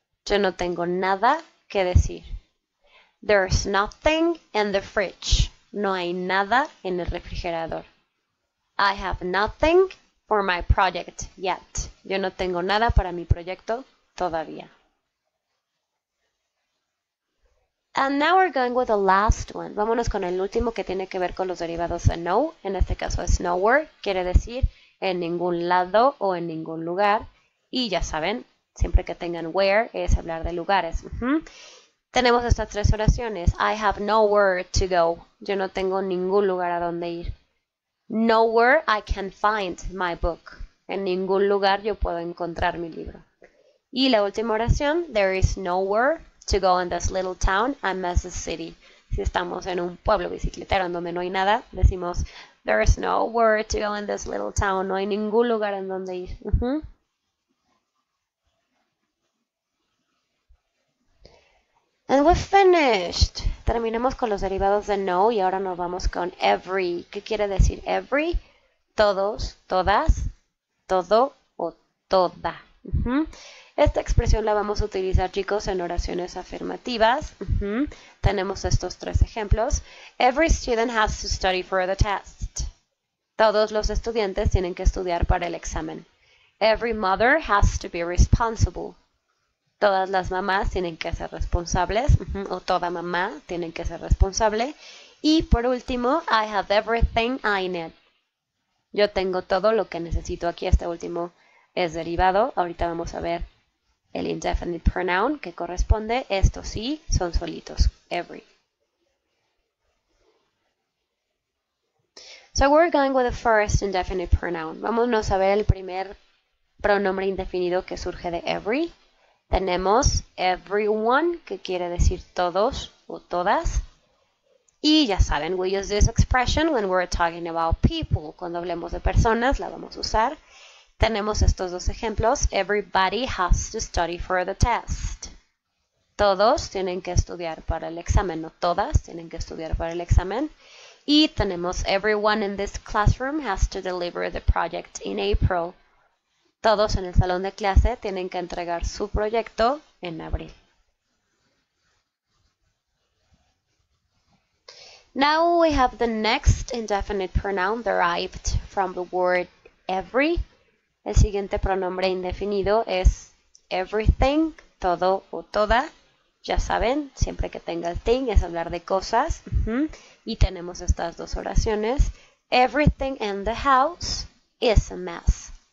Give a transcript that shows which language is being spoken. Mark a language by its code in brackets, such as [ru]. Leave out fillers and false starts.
[es] Yo no tengo nada que decir. [en] There's nothing in the fridge. [es] No hay nada en el refrigerador. [en] I have nothing for my project yet. [es] Yo no tengo nada para mi proyecto todavía. [en] And now we're going with the last one. [es] Vámonos con el último que tiene que ver con los derivados de no. En este caso es nowhere. Quiere decir en ningún lado o en ningún lugar. Y ya saben, siempre que tengan where es hablar de lugares. Tenemos estas tres oraciones. [en] I have nowhere to go. [es] Yo no tengo ningún lugar a donde ir. [en] Nowhere I can find my book. [es] En ningún lugar yo puedo encontrar mi libro. Y la última oración. [en] There is nowhere to go in this little town. I miss the city. [es] Si estamos en un pueblo bicicletero en donde no hay nada, decimos, [en] There is nowhere to go in this little town. [es] No hay ningún lugar en donde ir. [en] And we've finished. [es] Terminamos con los derivados de no y ahora nos vamos con every. ¿Qué quiere decir every? Todos, todas, todo o toda. Esta expresión la vamos a utilizar, chicos, en oraciones afirmativas. Tenemos estos tres ejemplos. [en] Every student has to study for the test. [es] Todos los estudiantes tienen que estudiar para el examen. [en] Every mother has to be responsible. [es] Todas las mamás tienen que ser responsables, o toda mamá tiene que ser responsable. Y por último, [en] I have everything I need. [es] Yo tengo todo lo que necesito. Aquí este último es derivado. Ahorita vamos a ver el indefinite pronoun que corresponde. Estos sí son solitos. Every. [en] So we're going with the first indefinite pronoun. [es] Vámonos a ver el primer pronombre indefinido que surge de every. Tenemos everyone, que quiere decir todos o todas. Y ya saben, [en] we use this expression when we're talking about people. [es] Cuando hablemos de personas, la vamos a usar. Tenemos estos dos ejemplos. [en] Everybody has to study for the test. [es] Todos tienen que estudiar para el examen, no todas tienen que estudiar para el examen. Y tenemos [en] everyone in this classroom has to deliver the project in April. [es] Todos en el salón de clase tienen que entregar su proyecto en abril. [en] Now we have the next indefinite pronoun derived from the word every. [es] El siguiente pronombre indefinido es everything, todo o toda. Ya saben, siempre que tenga el thing es hablar de cosas. Y tenemos estas dos oraciones. [en] Everything in the house is a mess.